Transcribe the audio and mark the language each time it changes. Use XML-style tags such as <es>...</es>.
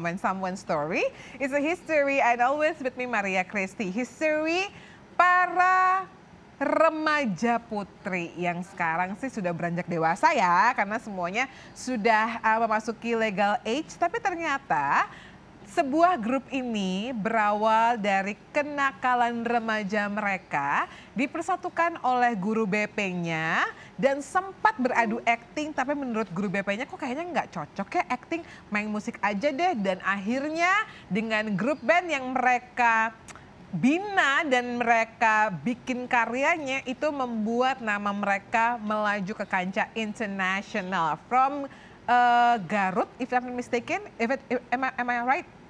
<en>When someone's story is a history, and always with me Maria Christy.</en> <id>History para remaja putri yang sekarang sih sudah beranjak dewasa ya, karena semuanya sudah memasuki legal age. Tapi ternyata sebuah grup ini berawal dari kenakalan remaja mereka, dipersatukan oleh guru BP-nya, dan sempat beradu acting, tapi menurut guru BP-nya kok kayaknya nggak cocok ya acting, main musik aja deh. Dan akhirnya dengan grup band yang mereka bina dan mereka bikin karyanya, itu membuat nama mereka melaju ke kancah internasional.</id> <en>From Garut, if I'm not mistaken, am I right?</en>